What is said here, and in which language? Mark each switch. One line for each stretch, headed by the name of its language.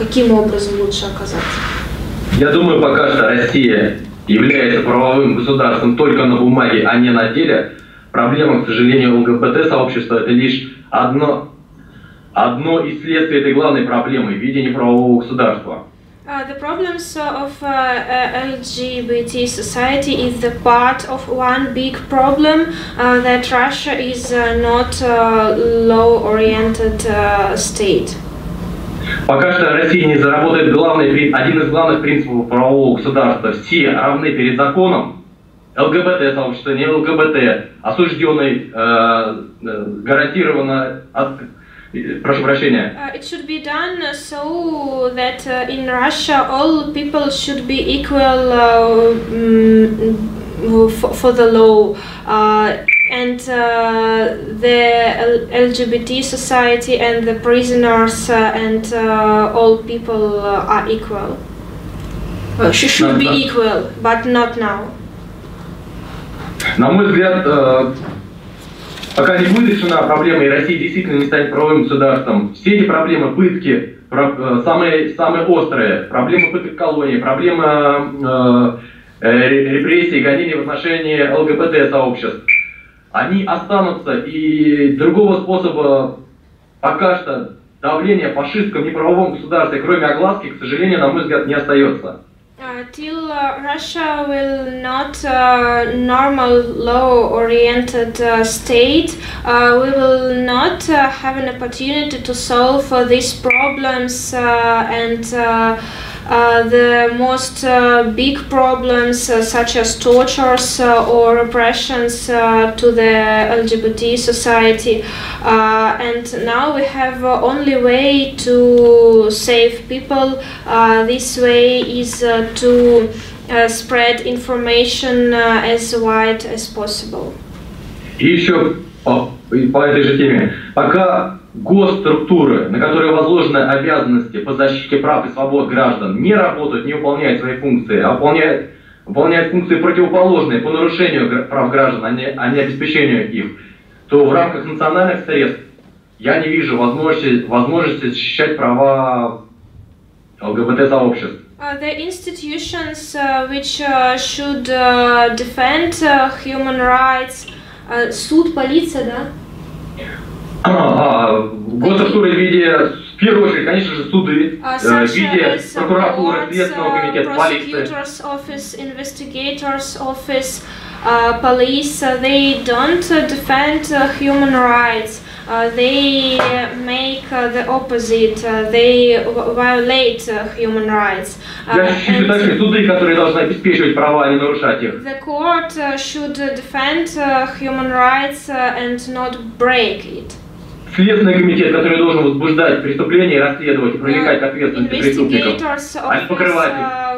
Russian: Каким образом лучше оказать? Я думаю, пока что Россия является правовым государством только на бумаге, а не на деле. Проблема, к сожалению, ЛГБТ-сообщества – это лишь одно из следствий этой главной проблемы – видение правового государства.
English: The problems of LGBT society is the part of one big problem that Russia is not a law-oriented state.
Russian: Пока что Россия не заработает один из главных принципов правового государства – все равны перед законом. ЛГБТ-сообщество, не ЛГБТ, осужденный, гарантированно от... Прошу прощения.
English: It should be done so that in Russia all people should be equal for the law. And the LGBT society and the prisoners and all people are equal. Should be equal, but not now.
Russian: На мой взгляд, пока не будет решена проблема, и Россия действительно не станет правовым государством, все эти проблемы, пытки, самые острые, проблемы пыток колонии, проблемы репрессий, гонений в отношении ЛГБТ-сообществ, они останутся, и другого способа пока что давления фашистском неправовом государстве, кроме огласки, к сожалению, на мой взгляд, не остается.
English: Till Russia will not a normal law-oriented state, we will not have an opportunity to solve these problems and the most big problems such as tortures or repressions to the LGBT society. And now we have only way to save people. This way is to spread information as wide as possible.
Russian: И еще по этой же теме. Пока госструктуры, на которые возложены обязанности по защите прав и свобод граждан, не работают, не выполняют свои функции, а выполняют функции противоположные по нарушению прав граждан, а не обеспечению их, то в рамках национальных средств я не вижу возможности защищать права ЛГБТ-сообществ.
English: The institutions which should defend human rights,
Russian: суд, полиция, да? Госструктуры в виде, в первую очередь, конечно же, суды в виде прокуратуры, следственного комитета, полиции.
English: Prosecutor's office, investigator's office, police, they don't defend human rights. They make the opposite. They violate human rights. The court should defend human rights and not break it.
Russian: Следственный комитет, который должен возбуждать преступления и расследовать, и привлекать к ответственности преступников, а не покрывать их.